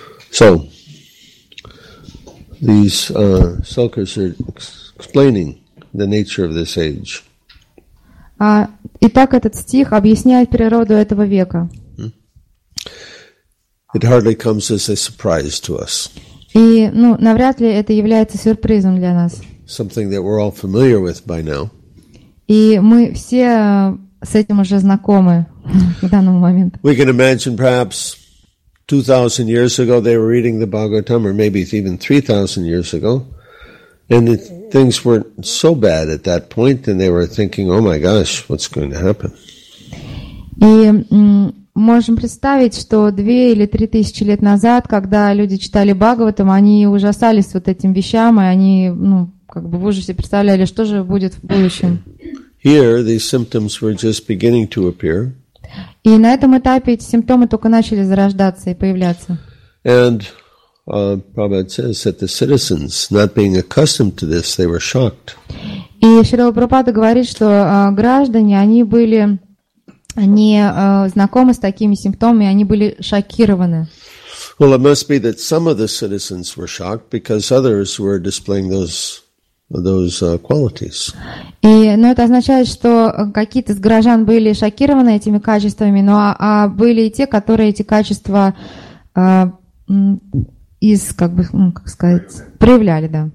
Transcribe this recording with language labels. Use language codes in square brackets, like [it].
[en] So, these shlokas are explaining the nature of this age. [ru] Итак, этот стих объясняет природу этого века. [en] It hardly comes as a surprise to us. [ru] И, ну, навряд ли это является сюрпризом для нас. [en] Something that we're all familiar with by now. [ru] И мы все с этим уже знакомы к данному моменту. [en] We can imagine perhaps 2,000 years ago they were reading the Bhagavatam, or maybe even 3,000 years ago, and things weren't so bad at that point, and they were thinking, oh my gosh, what's going to happen? [ru] И можем представить, что 2 или 3 тысячи лет назад, когда люди читали Бхагаватам, они ужасались вот этим вещам, и они, ну, как бы в ужасе представляли, что же будет в будущем. [en] Here these symptoms were just beginning to appear. [ru] И на этом этапе эти симптомы только начали зарождаться и появляться. [en] And Prabhupada says that the citizens, not being accustomed to this, they were shocked. [ru] И Шрила Прабхупада говорит, что граждане, они были они знакомы с такими симптомами, они были шокированы. [en] Well, it must be that some of the citizens were shocked because others were displaying those qualities. [ru] И, ну, это означает, что какие-то из горожан были шокированы этими качествами, но были и те, которые эти качества проявляли, да.